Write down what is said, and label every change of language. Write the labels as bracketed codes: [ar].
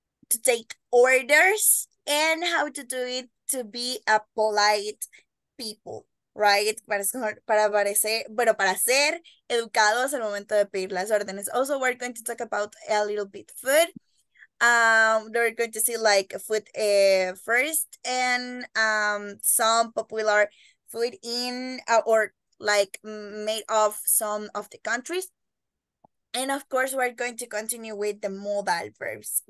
[en] to take orders and how to do it to be a polite people, right? [es] Para ser educados al momento de pedir las órdenes. [en] Also, we're going to talk about a little bit food. We're going to see like food first and some popular food in or like made of some of the countries. And of course, we're going to continue with the modal verbs.